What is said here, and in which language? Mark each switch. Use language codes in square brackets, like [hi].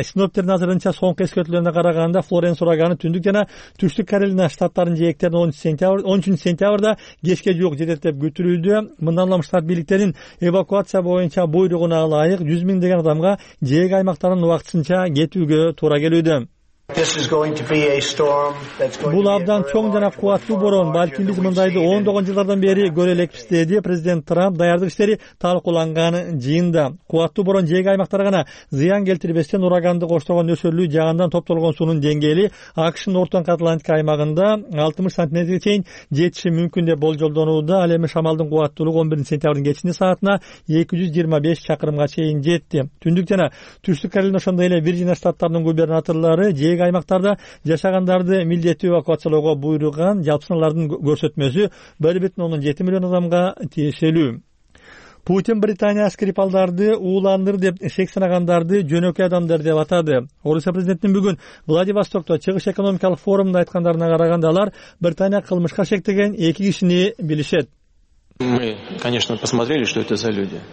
[ky] Синоптиктердин азырынча соңку эскертүүлөрүнө караганда Флоренс ураганы түндүк жана түштүк Каролина штаттарынын жээктерин 13 сентябрда кечке жуук жетет деп күтүлүүдө. Мындан улам штат бийликтеринин эвакуация боюнча буйругуна ылайык 100 000 деген адамга жээк аймактарынан убактысынча кетүүгө туура келүүдө. [en] This is going to be a storm that's going to [ky] Бул абдан чоң жана кубаттуу бороон, балким биз мындайды ондогон жылдардан бери көрө элекпиз, деди президент Трамп даярдык иштери талкууланган жыйында. Кубаттуу бороон жээк аймактарга гана зыян келтирбестен ураганды коштогон нөсөрлүү жаандан топтолгон суунун деңгээли АКШнын Орто Атлантика аймагында 60 сантиметрге чейин жетиши мүмкүн деп болжолдонууда. Ал эми шамалдын кубаттуулугу 11 сентябрдын кечинде саатына 225 чакырымга чейин жетти. Түндүк жана түштүк Каролина ошондой эле Вирджиния штаттарынын губернаторлору жээк аймактарда жашагандарды милдеттүү эвакуациялоого буйруган. Жалпы сандардын көрсөтмөсү 1.7 миллион адамга тиешелүү. Путин Британия Скрипалдарды ууландыр деп эшек санагандарды жөнөкөй адамдар деп атады. Орусия президентинин бүгүн Владивостокто чыгыш экономикалык форумунда айткандарына караганда алар Британия кылмышка шектеген эки кишини билишет. [ru] Мы, конечно, посмотрели, что это за люди.